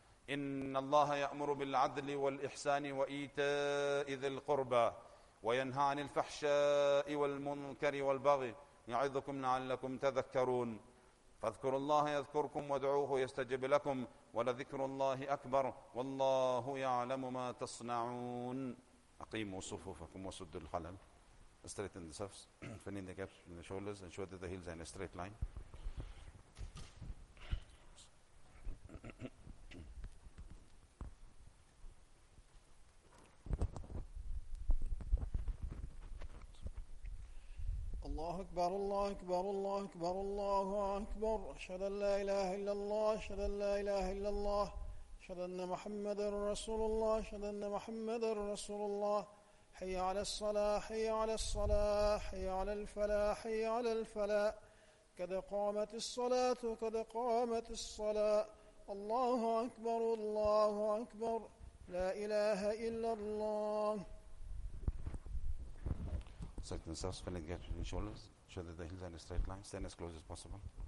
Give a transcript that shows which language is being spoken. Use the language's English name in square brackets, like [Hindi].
[Arabic] إن الله يأمر بالعدل والإحسان وإيتاء ذي القربى، وينهى عن الفحشاء والمنكر والبغي، يعظكم لعلكم تذكرون. فاذكروا الله يذكركم، وادعوه يستجب لكم، ولذكر الله أكبر، والله يعلم ما تصنعون. أقيموا صفوفكم وسدوا الخلل. [English] Straighten the surfs, fill in the gaps in the shoulders, ensure that the heels are in a straight line. [Arabic] الله أكبر الله أكبر الله أكبر الله أكبر. أشهد أن لا إله إلا الله، أشهد أن لا إله إلا الله، أشهد أن محمد رسول الله، أشهد أن محمد رسول الله. حي على الصلاة، حي على الصلاة، حي على الفلاح، حي على الفلاح، قد قامت الصلاة، قد قامت الصلاة. الله أكبر الله أكبر، لا إله إلا الله. [English] Set themselves, filling the gaps in the shoulders, show that the heels are in a straight line, stand as close as possible.